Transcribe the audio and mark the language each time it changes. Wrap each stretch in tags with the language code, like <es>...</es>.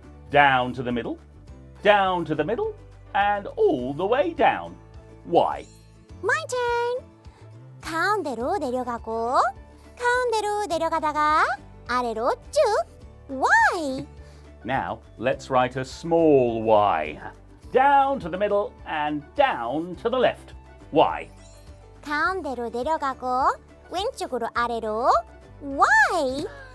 <en>Down to the middle, down to the middle, and all the way down. Y. My turn.</en> <ko>가운데로 내려가고 가운데로 내려가다가 아래로 쭉 Y.</ko> <en>Now, let's write a small Y. Down to the middle and down to the left. Y.</en> <ko>가운데로 내려가고 왼쪽으로 아래로 Y.</ko>